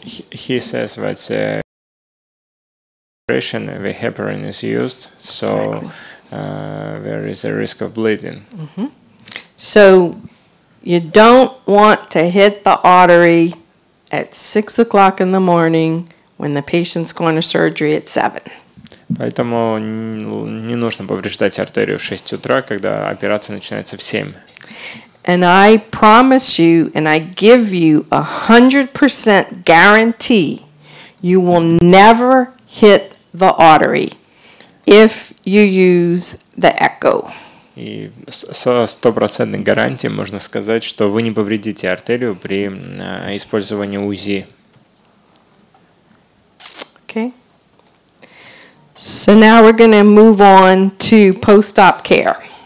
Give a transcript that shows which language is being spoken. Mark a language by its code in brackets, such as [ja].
[en] He says that the operation the heparin is used, so there is a risk of bleeding. Mm-hmm. So you don't want to hit the artery at 6 o'clock in the morning when the patient's going to surgery at 7. [ru] Поэтому не нужно повреждать артерию в 6 утра, когда операция начинается в 7. [en] And I promise you, and I give you 100% guarantee, you will never hit the artery if you use the echo. [ru] И со 100% гарантией можно сказать, что вы не повредите артерию при использовании УЗИ. [en] Okay. So now we're going to move on to post-op care.